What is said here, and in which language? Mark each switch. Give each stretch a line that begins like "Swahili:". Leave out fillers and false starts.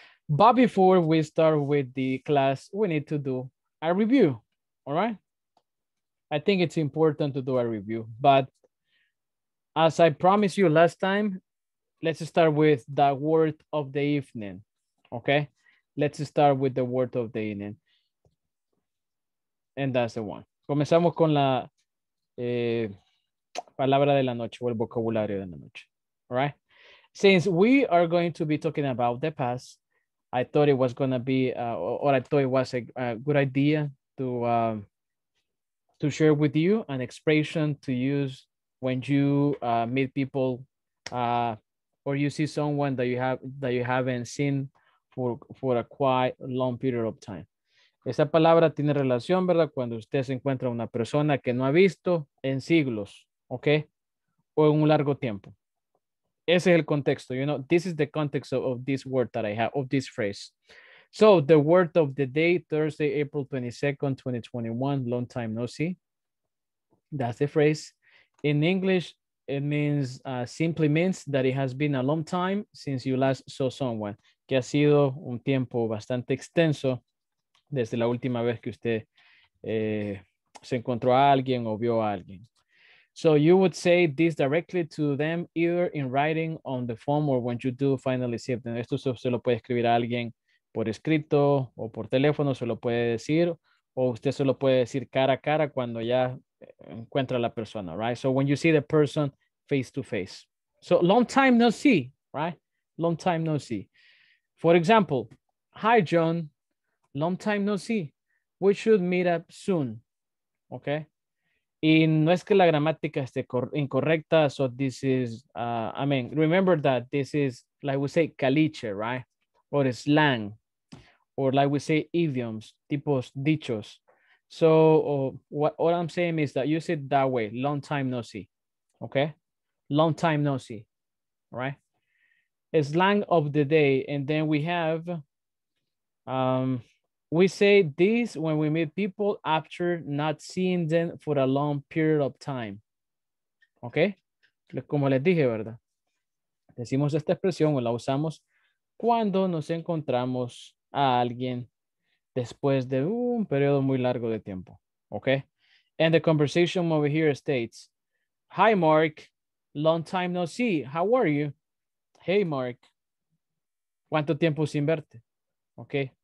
English: But before we start with the class, we need to do a review, all right? I think it's important to do a review, but as I promised you last time, let's start with the word of the evening. Okay, let's start with the word of the evening. And that's the one.
Spanish: Comenzamos con la palabra de la noche o el vocabulario de la noche.
English: All right. Since we are going to be talking about the past, I thought it was going to be, or I thought it was a good idea to share with you an expression to use when you meet people or you see someone that you have that you haven't seen for a quite long period of time.
Spanish: Esa palabra tiene relación, ¿verdad? Cuando usted se encuentra una persona que no ha visto en siglos, ¿ok? O en un largo tiempo. Ese es el contexto,
English: you know? This is the context of this word that I have, of this phrase. So, the word of the day, Thursday, April 22nd, 2021, long time no see. That's the phrase. In English, it means, simply means that it has been a long time since you last saw someone.
Spanish: Que ha sido un tiempo bastante extenso desde la última vez que usted se encontró a alguien o vio a alguien.
English: So you would say this directly to them, either in writing, on the phone, or when you do finally see them.
Spanish: Esto se lo puede escribir a alguien por escrito o por teléfono, se lo puede decir, o usted se lo puede decir cara a cara cuando ya encuentra a la persona, right?
English: So when you see the person face to face. So long time no see, right? Long time no see. For example, hi, John, long time no see. We should meet up soon, okay?
Spanish: Y no es que la gramática esté incorrecta,
English: so this is, remember that this is, like we say, caliche, right? Or slang, or like we say, idioms,
Spanish: tipos dichos.
English: So what I'm saying is that use it that way, long time no see, okay? Long time no see, right? A slang of the day, and then we have, we say this when we meet people after not seeing them for a long period of time.
Spanish: Okay? Como les dije, ¿verdad? Decimos esta expresión o la usamos cuando nos encontramos a alguien después de un periodo muy largo de tiempo.
English: Okay? And the conversation over here states, hi, Mark. Long time no see. How are you? Hey, Mark,
Spanish: ¿cuánto tiempo sin verte?
English: Okay.